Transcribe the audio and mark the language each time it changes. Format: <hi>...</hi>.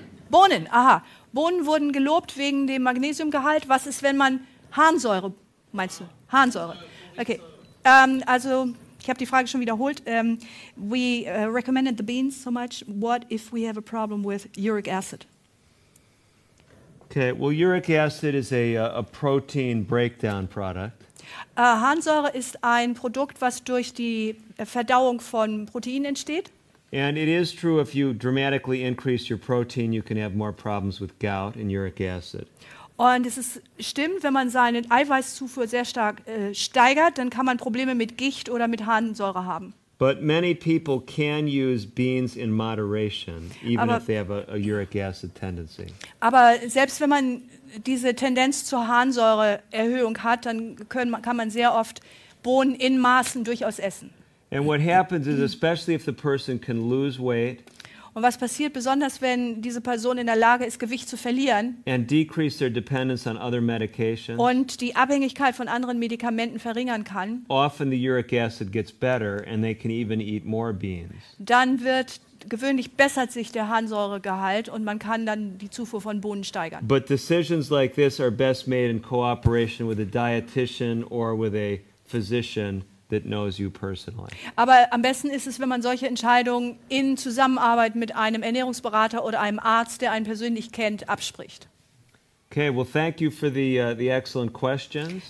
<de>Bohnen wurden gelobt wegen dem Magnesiumgehalt. Was ist, wenn man Harnsäure, meinst du? Harnsäure. Okay, also ich habe die Frage schon wiederholt.</de> <en>We recommended the beans so much. What if we have a problem with uric acid? Okay, well, uric acid is a protein breakdown product.</en> <de>Harnsäure ist ein Produkt, was durch die Verdauung von Proteinen entsteht.</de> <en>And it is true, if you dramatically increase your protein, you can have more problems with gout and uric acid.</en> <de>Und es ist stimmt, wenn man seine Eiweißzufuhr sehr stark steigert, dann kann man Probleme mit Gicht oder mit Harnsäure haben.</de> <en>But many people can use beans in moderation, even if they have a uric acid tendency.</en> <de>Aber selbst wenn man diese Tendenz zur Harnsäureerhöhung hat, dann kann man sehr oft Bohnen in Maßen durchaus essen.</de> <en>And what happens is, especially if the person can lose weight.</en> <de>Und was passiert, besonders wenn diese Person in der Lage ist, Gewicht zu verlieren</de> <en>and decrease their dependence on other medications,</en> <de>und die Abhängigkeit von anderen Medikamenten verringern kann,</de> <en>often the uric acid gets better and they can even eat more beans.</en> <de>Dann wird gewöhnlich bessert sich der Harnsäuregehalt und man kann dann die Zufuhr von Bohnen steigern.</de> <en>But decisions like this are best made in cooperation with a dietitian or with a physician that knows you personally.</en> <de>Aber am besten ist es, wenn man solche Entscheidungen in Zusammenarbeit mit einem Ernährungsberater oder einem Arzt, der einen persönlich kennt, abspricht.</de> <en>Okay, well, thank you for the excellent questions.</en>